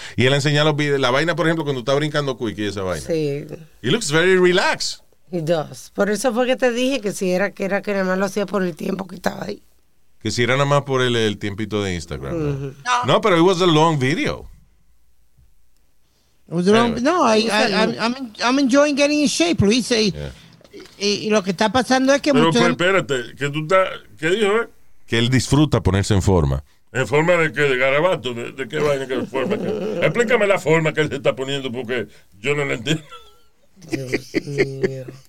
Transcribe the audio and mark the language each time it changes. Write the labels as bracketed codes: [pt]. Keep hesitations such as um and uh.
[es] Y él enseña los videos, la vaina, por ejemplo, cuando está brincando quick y esa vaina. Sí, [en] He looks very relaxed. [es] y dos. Por eso fue que te dije que si era que era que nada más lo hacía por el tiempo que estaba ahí. Que si era nada más por el, el tiempito de Instagram. ¿no? No, pero [en] it was a long video. It was the wrong- Anyway. No, I, I- I'm, I'm- I'm enjoying getting in shape, Luis. [es] Y, [en] Yeah. [es] y- y lo que está pasando es que Pero muchos- pues, espérate, que tú estás. ¿Qué dijo, eh? Que él disfruta ponerse en forma. ¿En forma de qué? ¿De garabato? ¿De, de qué vaina? ¿Qué forma? que- Explícame la forma que él se está poniendo porque yo no la entiendo. Dios mío.